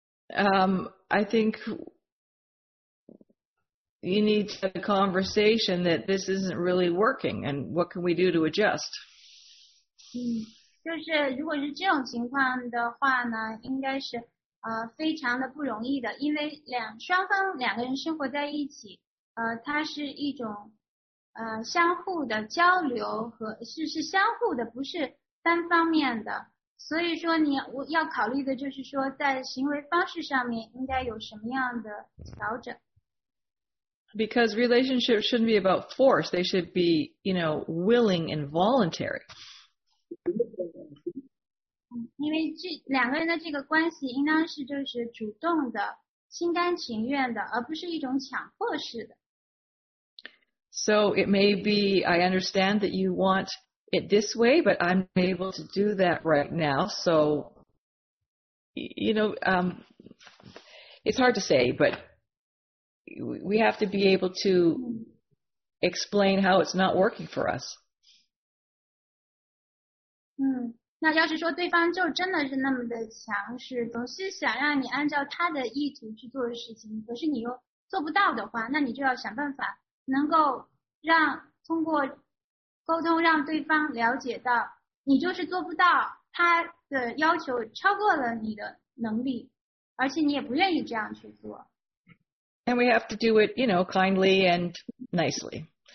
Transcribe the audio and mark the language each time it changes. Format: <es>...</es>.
<en>I think you need to have a conversation that this isn't really working and what can we do to adjust?</en> <zh>就是如果是这种情况的话呢，应该是非常的不容易的，因为双方两个人生活在一起，它是一种相互的交流和是相互的，不是单方面的。所以说我要考虑的就是说，在行为方式上面应该有什么样的调整。</zh> <en>Because relationships shouldn't be about force; they should be, you know, willing and voluntary.</en> <zh>因为这两个人的这个关系应当是就是主动的、心甘情愿的，而不是一种强迫式的。</zh> <en>So it may be, I understand that you want it this way, but I'm not able to do that right now. So, you know, it's hard to say, but we have to be able to explain how it's not working for us.</en> <zh>那要是说对方就真的是那么的强势，总是想让你按照他的意图去做的事情，可是你又做不到的话，那你就要想办法能够让通过沟通让对方了解到你就是做不到，他的要求超过了你的能力，而且你也不愿意这样去做。</zh> <en>And we have to do it, you know, kindly and nicely.</en>